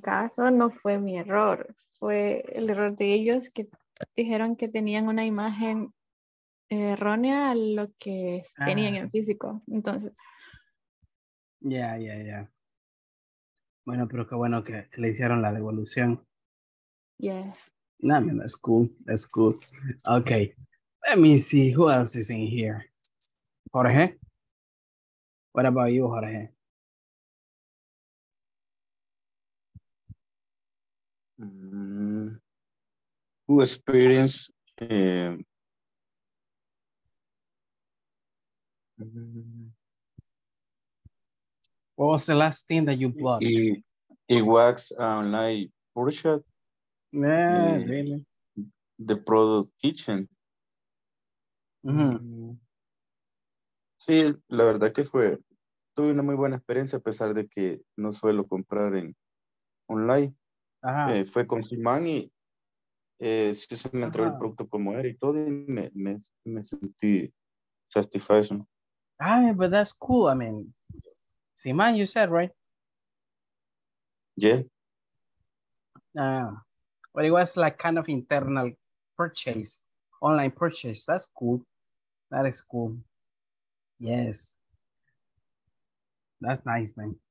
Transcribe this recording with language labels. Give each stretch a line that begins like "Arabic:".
Spanish: caso no fue mi error, fue el error de ellos, que dijeron que tenían una imagen errónea a lo que tenían en físico. Entonces, ya. Bueno, pero qué bueno que le hicieron la devolución.
English: Yes. No, man, that's cool. Okay, let me see who else is in here. Jorge, what about you, Jorge? Who experienced what was the last thing that you bought? It was online purchase. Yeah, really. The product kitchen. Mm-hmm.
Spanish: Sí, la verdad que fue, tuve una muy buena experiencia, a pesar de que no suelo comprar en online. Ajá. Fue con Simán y sí se me entró el producto como era y todo, y me sentí satisfecho.
English: Ah, I mean, but that's cool. I mean, Simán, you said, right? Yeah. But it was like kind of internal purchase, online purchase. That's cool. That is cool. Yes. That's nice, man.